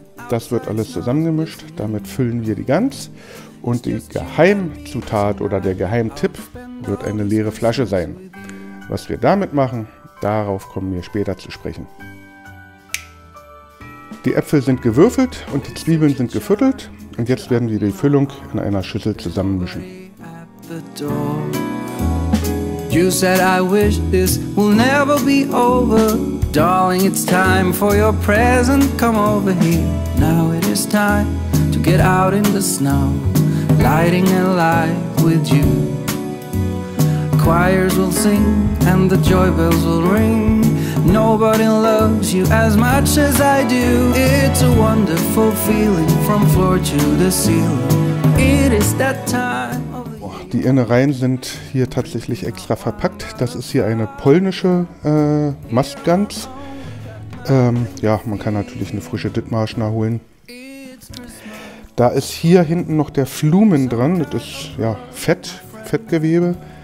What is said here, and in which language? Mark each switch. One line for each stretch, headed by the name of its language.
German: Das wird alles zusammengemischt, damit füllen wir die Gans und die Geheimzutat oder der Geheimtipp wird eine leere Flasche sein. Was wir damit machen, darauf kommen wir später zu sprechen. Die Äpfel sind gewürfelt und die Zwiebeln sind geviertelt und jetzt werden wir die Füllung in einer Schüssel zusammenmischen.
English: You said I wish this will never be over. Darling, it's time for your present, come over here. Now it is time to get out in the snow, lighting a light with you. Choirs will sing and the joy bells will ring. Nobody loves you as much as I do. It's a wonderful feeling from floor to the ceiling. It is that time of the year.
German: Die Innereien sind hier tatsächlich extra verpackt. Das ist hier eine polnische Mastgans. Man kann natürlich eine frische Dithmarschner holen. Da ist hier hinten noch der Flumen dran, das ist ja Fettgewebe.